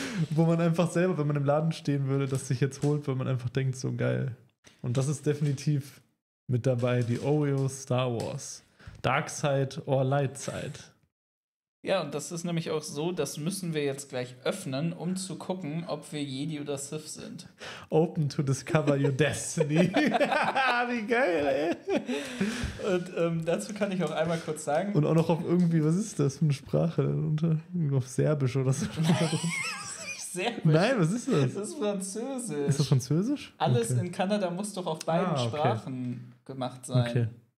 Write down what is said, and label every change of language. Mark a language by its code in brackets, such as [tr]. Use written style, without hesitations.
[de] Wo man einfach selber, wenn man im Laden stehen würde, das sich jetzt holt, weil man einfach denkt, so geil. Und das ist definitiv mit dabei, die Oreo Star Wars. [en] Dark Side or Light Side. [de] Ja, und das ist nämlich auch so, das müssen wir jetzt gleich öffnen, um zu gucken, ob wir Jedi oder Sith sind. [en] Open to discover your destiny. [de] Wie geil, ey. Und dazu kann ich auch einmal kurz sagen. Und auch noch auf irgendwie, was ist das für eine Sprache denn unter? Auf Serbisch oder so. Nein, Serbisch. was ist das? Das ist Französisch. Ist das Französisch? Alles in Kanada muss doch auf beiden Sprachen gemacht sein.